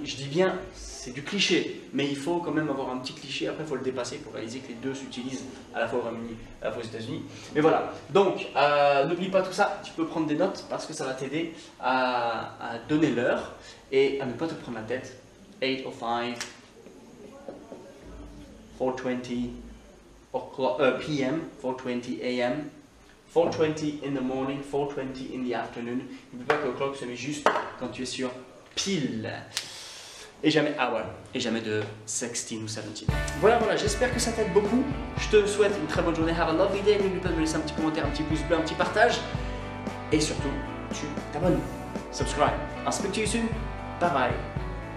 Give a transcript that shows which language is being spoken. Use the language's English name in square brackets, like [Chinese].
[French] Je dis bien, c'est du cliché, mais il faut quand même avoir un petit cliché. Après, il faut le dépasser pour réaliser que les deux s'utilisent à la fois au Royaume-Uni et à la fois aux États-Unis. Mais voilà, donc n'oublie pas tout ça. Tu peux prendre des notes parce que ça va t'aider à donner l'heure et à ne pas te prendre la tête. 8:05. [English] 4:20 p.m., 4:20 a.m., 4:20 in the morning, 4:20 in the afternoon. [French] Il ne faut pas que le clock se met juste quand tu es sur pile. Et jamais hour, et jamais de 16 ou 17. Voilà, j'espère que ça t'aide beaucoup. Je te souhaite une très bonne journée. [English] Have a lovely day. [French] N'oublie pas de me laisser un petit commentaire, un petit pouce bleu, un petit partage. Et surtout, tu t'abonnes. [English] Subscribe. I'll speak to you soon. Bye bye.